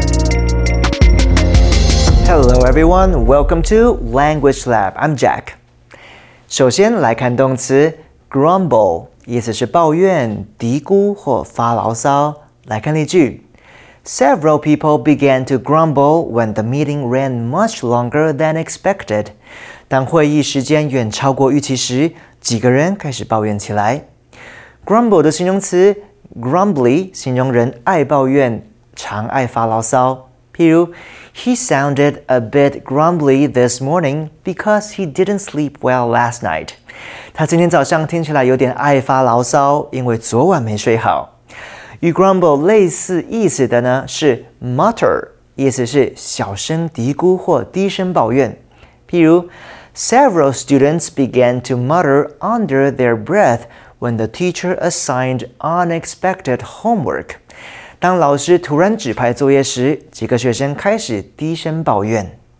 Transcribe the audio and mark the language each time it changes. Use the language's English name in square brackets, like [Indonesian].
[English] Hello everyone, welcome to Language Lab. I'm Jack. [Chinese] 首先来看动词 grumble, 意思是抱怨、嘀咕或发牢骚。来看例句。 [English] Several people began to grumble when the meeting ran much longer than expected. [Chinese] 当会议时间远超过预期时，几个人开始抱怨起来。 Grumble 的形容词 grumbly, 形容人爱抱怨、常爱发牢骚。譬如 [English] He sounded a bit grumbly this morning because he didn't sleep well last night. [Chinese] 他今天早上听起来有点爱发牢骚，因为昨晚没睡好。与 grumble 类似意思的呢，是 mutter, 意思是小声嘀咕或低声抱怨。譬如 [English] Several students began to mutter under their breath when the teacher assigned unexpected homework. [Chinese] 当老师突然指派作业时，几个学生开始低声抱怨。